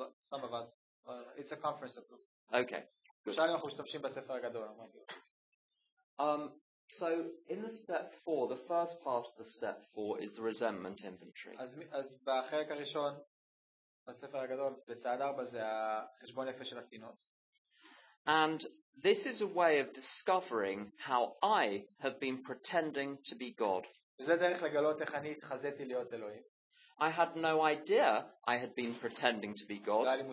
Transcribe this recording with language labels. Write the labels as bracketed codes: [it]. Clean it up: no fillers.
[en] Some of us, it's a conference of books. Okay. Good. So in the step 4, the first part of the step 4 is the resentment inventory. [he] אז בחלק הראשון בספר הגדול בצד 4 זה החשבון נפש של התינות. [en] And this is a way of discovering how I have been pretending to be God. [he] זה דרך לגלות איך אני התחזיתי להיות אלוהים. [en] I had no idea I had been pretending to be God.